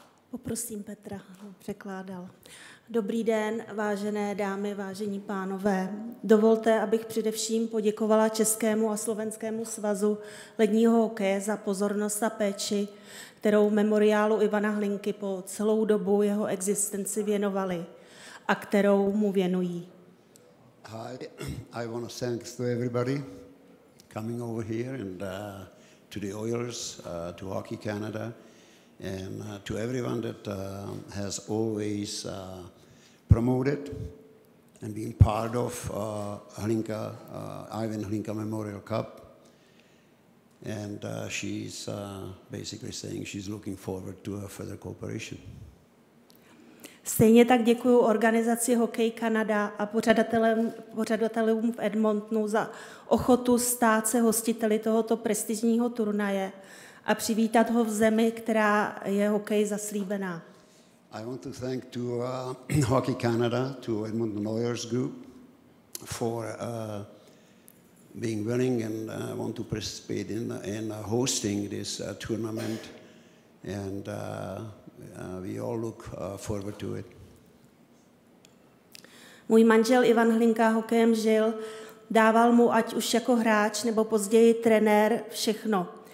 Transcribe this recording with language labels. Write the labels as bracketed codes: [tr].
[cs] Poprosím Petra, překládal. Dobrý den, vážené dámy, vážení pánové. Dovolte, abych především poděkovala Českému a Slovenskému svazu ledního hokeje za pozornost a péči, kterou memoriálu Ivana Hlinky po celou dobu jeho existenci věnovali a kterou mu věnují. [en] Hi, I want to thank to everybody coming over here and to the Oilers, to Hockey Canada, and to everyone that has always promoted and been part of Ivan Hlinka Memorial Cup. And she's basically saying she's looking forward to a further cooperation. [cs] Stejně tak děkuju organizaci Hokej Kanada a pořadatelům v Edmontonu za ochotu stát se hostiteli tohoto prestižního turnaje a přivítat ho v zemi, která je hokej zaslíbená. [en] I want to thank to Hockey Canada, to Edmonton Oilers group for being willing and want to participate in hosting this tournament, and we all look forward to it. [cs] Můj manžel Ivan Hlinka hokejem žil, dával mu ať už jako hráč nebo později trenér všechno.